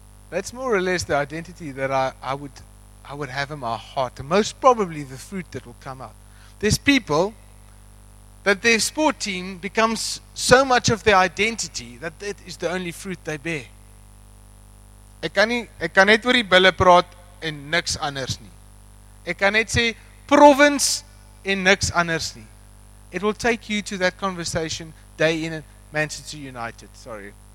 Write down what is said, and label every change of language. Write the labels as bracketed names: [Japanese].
[English] That's more or less the identity that I would have in my heart. And most probably the fruit that will come out. There's people that their sport team becomes so much of their identity that that is the only fruit they bear. [Afrikaans] Ek kan net oor die bulle praat en niks anders nie. Ek kan net sê province en niks anders nie. [English] It will take you to that conversation day in at Manchester United. Sorry.